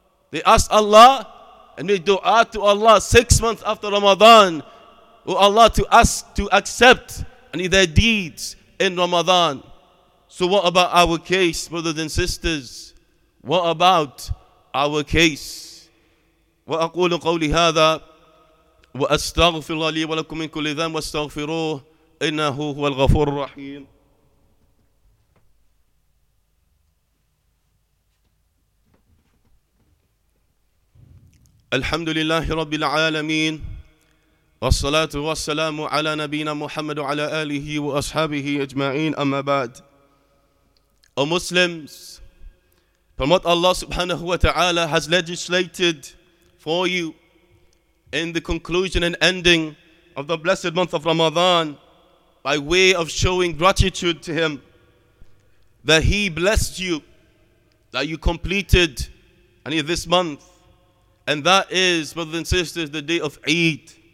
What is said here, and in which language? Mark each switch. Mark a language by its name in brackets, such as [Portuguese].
[English] They asked Allah and made dua to Allah 6 months after Ramadan, for Allah to ask to accept any their deeds in Ramadan. So what about our case, brothers and sisters? What about our case? [Arabic] وأقول قولي هذا وأستغفر الله لي ولكم من كل ذنب واستغفروه إنه هو الغفور الرحيم. الحمد لله رب العالمين والصلاة والسلام على نبينا محمد وعلى آله وأصحابه أجمعين أما بعد. [English] O Muslims, from what Allah subhanahu wa ta'ala has legislated for you in the conclusion and ending of the blessed month of Ramadan, by way of showing gratitude to Him that He blessed you, that you completed any of this month, and that is, brothers and sisters, the day of Eid.